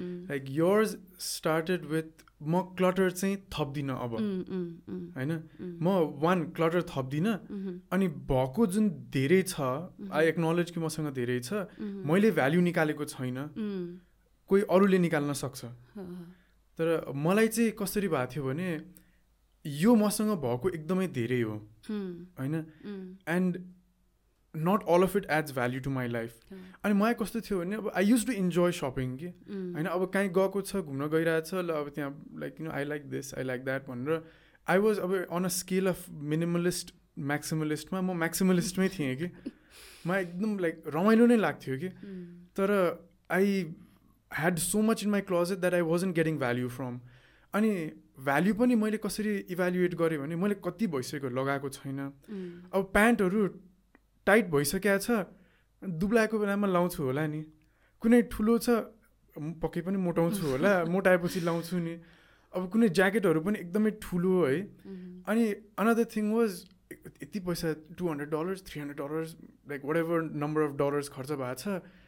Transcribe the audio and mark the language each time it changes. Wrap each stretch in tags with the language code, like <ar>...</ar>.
<en>like yours started with</en> <ne>म clutter चाहिँ थप्दिनँ अब होइन, म वान क्लटर थप्दिनँ. अनि भएको जुन धेरै छ,</ne> <en>I acknowledge</en> <ne>कि मसँग धेरै छ, मैले भ्याल्यु निकालेको छैन, कोही अरूले निकाल्न सक्छ. तर मलाई चाहिँ कसरी भएको थियो भने यो मसँग भएको एकदमै धेरै हो होइन,</ne> <en>And not all of it as value to my life.</en> <ne>अनि मलाई कस्तो थियो भने अब</ne> <en>I used to enjoy shopping</en> <ne>कि होइन, अब कहीँ गएको छ, घुम्न गइरहेको छ, ल अब त्यहाँ</ne> <en>like you know I like this I like that</en> <ne>भनेर आई वाज अब on a scale of minimalist म्याक्सिमलिस्टमा म म्याक्सिमलिस्टमै थिएँ कि, मलाई एकदम लाइक रमाइलो नै लाग्थ्यो कि. तर</ne> <en>I had so much in my closet that I wasn't getting value from.</en> <ne>अनि भ्यालु पनि मैले कसरी इभ्यालुएट गरेँ भने मैले कति भइसक्यो लगाएको छैन अब प्यान्टहरू टाइट भइसकेको छ दुब्लाएको बेलामा लाउँछु होला नि कुनै ठुलो छ पक्कै पनि मोटाउँछु होला मोटाएपछि लाउँछु नि अब कुनै ज्याकेटहरू पनि एकदमै ठुलो है अनि</ne> <en>another thing was</en> <ne>यति पैसा $200, $300</ne> <en>like whatever number of dollars</en> <ne>खर्च भएको छ</ne>